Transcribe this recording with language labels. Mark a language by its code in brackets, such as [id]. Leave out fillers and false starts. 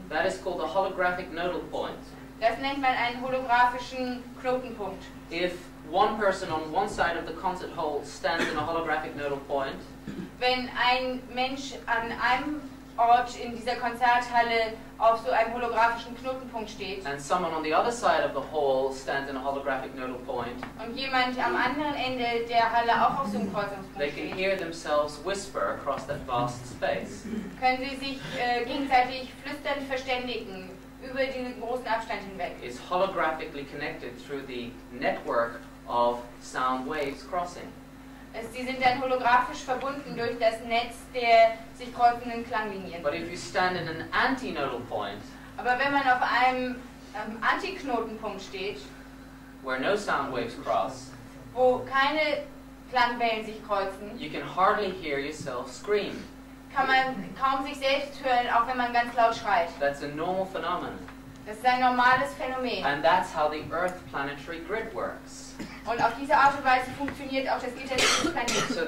[en] that is called a holographic nodal point. [de] Das nennt man einen holographischen Knotenpunkt. [en] If one person on one side of the concert hall stands in a holographic nodal point. [de] Wenn ein Mensch an einem Ort in dieser Konzerthalle auf so einem holographischen Knotenpunkt steht. [en] And someone on the other side of the hall stands in a holographic nodal point. [de] Und jemand am anderen Ende der Halle auch auf so einem Kreuzungspunkt steht. [en] They can hear themselves whisper across that vast space. [de] Können sie sich gegenseitig flüstern verständigen. Über diesen großen Abstand hinweg. [en] Is holographically connected through the network of sound waves crossing. [de] Sie sind dann holographisch verbunden durch das Netz der sich kreuzenden Klanglinien. [en] But if you stand in an antinodal point, [de] aber wenn man auf einem Antiknotenpunkt steht, [en] where no sound waves cross, [de] wo keine Klangwellen sich kreuzen, [en] you can hardly hear yourself scream. [de] Kann man kaum sich selbst hören, auch wenn man ganz laut schreit. [en] That's a normal phenomenon. [de] Das ist ein normales Phänomen. [en] And that's how the Earth planetary grid works. [de] Und auf diese Art und Weise funktioniert auch das Gitternetz des Planeten.